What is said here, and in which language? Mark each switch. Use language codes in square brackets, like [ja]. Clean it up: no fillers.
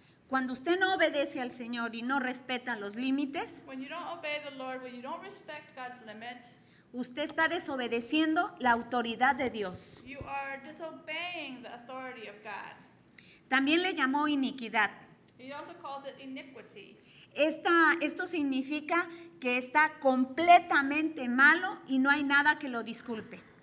[es] Cuando usted no obedece al Señor y no respeta los límites, [en] when you don't obey the Lord, when you don't respect God's limits, [es] usted está desobedeciendo la autoridad de Dios. [en] You are disobeying the authority of God. [es] También le llamó iniquidad. [en] He also calls it iniquity. [es] Esto significa que está completamente malo y no hay nada que lo disculpe.